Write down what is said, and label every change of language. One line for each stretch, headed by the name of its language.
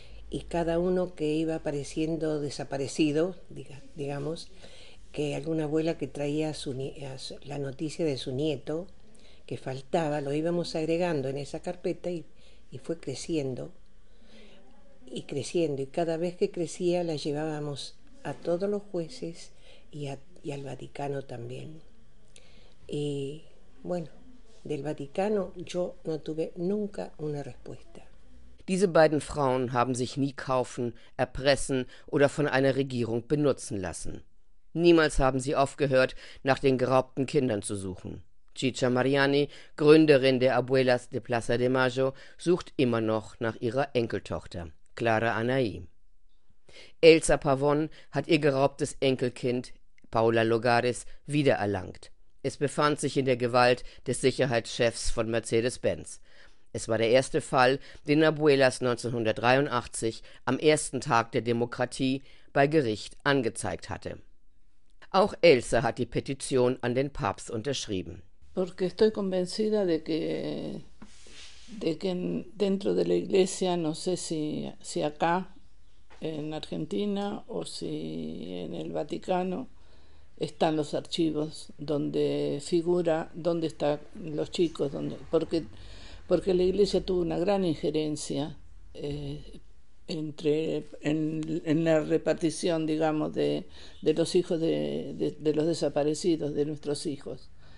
Spanish: y cada uno que iba apareciendo desaparecido, digamos, que alguna abuela que traía la noticia de su nieto que faltaba, lo íbamos agregando en esa carpeta y fue creciendo y creciendo, y cada vez que crecía la llevábamos a todos los jueces y al Vaticano también. Y bueno, del Vaticano yo no tuve nunca una respuesta.
German: Diese beiden Frauen haben sich nie kaufen, erpressen oder von einer Regierung benutzen lassen. Niemals haben sie aufgehört, nach den geraubten Kindern zu suchen. Chicha Mariani, Gründerin der Abuelas de Plaza de Mayo, sucht immer noch nach ihrer Enkeltochter, Clara Anaí. Elsa Pavón hat ihr geraubtes Enkelkind, Paula Logares, wiedererlangt. Es befand sich in der Gewalt des Sicherheitschefs von Mercedes-Benz. Es war der erste Fall, den Abuelas 1983, am ersten Tag der Demokratie, bei Gericht angezeigt hatte. Auch Elsa hat die Petition an den Papst unterschrieben.
Spanish: Porque estoy convencida de que dentro de la Iglesia, no sé si acá en Argentina o si en el Vaticano, están los archivos donde figura dónde están los chicos, porque la Iglesia tuvo una gran injerencia en la repartición, digamos, de los hijos de los desaparecidos, de nuestros hijos.